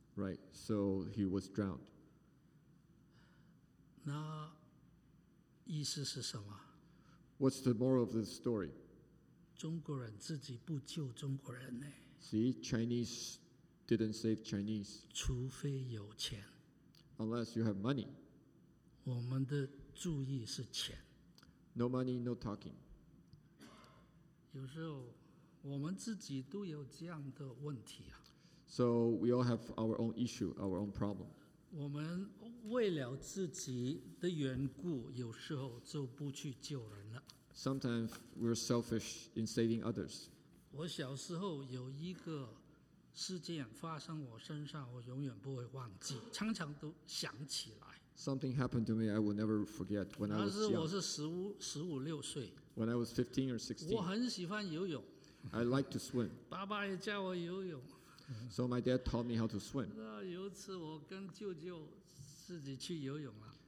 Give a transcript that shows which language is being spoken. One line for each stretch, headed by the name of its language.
English: Right, so he was drowned.
Chinese: 那意思是什么？
English: What's the moral of this story?
Chinese: 中国人自己不救中国人呢。
English: See, Chinese didn't save Chinese.
Chinese: 除非有钱。
English: Unless you have money.
Chinese: 我们的注意是钱。
English: No money, no talking.
Chinese: 有时候我们自己都有这样的问题啊。
English: So we all have our own issue, our own problem.
Chinese: 我们为了自己的缘故，有时候就不去救人了。
English: Sometimes we're selfish in saving others.
Chinese: 我小时候有一个事件发生我身上，我永远不会忘记，常常都想起来。
English: Something happened to me I will never forget when I was young.
Chinese: 那是我是十五六岁。
English: When I was 15 or 16.
Chinese: 我很喜欢游泳。
English: I like to swim.
Chinese: 爸爸也教我游泳。
English: So my dad taught me how to swim.
Chinese: 有一次我跟舅舅自己去游泳了。